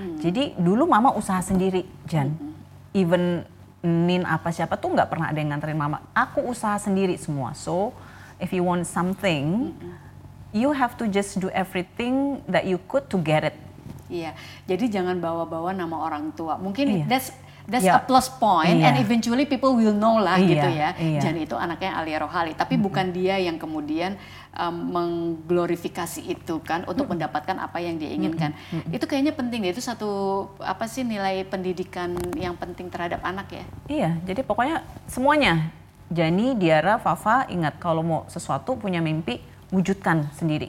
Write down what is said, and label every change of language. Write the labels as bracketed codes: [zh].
[id] Jadi dulu mama usaha sendiri, Jan. Even Nin apa siapa tuh gak pernah ada yang nganterin mama. Aku usaha sendiri semua. [en] So if you want something, you have to just do everything that you could to get it. [id] Iya, jadi jangan bawa-bawa nama orang tua. [en] Mungkin that's a plus point, and eventually people will know lah gitu ya. [id] Jan itu anaknya Alya Rohali, tapi bukan dia yang kemudian mengglorifikasi itu kan untuk mendapatkan apa yang diinginkan. Itu kayaknya penting deh, itu satu apa sih nilai pendidikan yang penting terhadap anak ya. Iya, jadi pokoknya semuanya, Jani, Diara, Fafa, ingat kalau mau sesuatu, punya mimpi, wujudkan sendiri.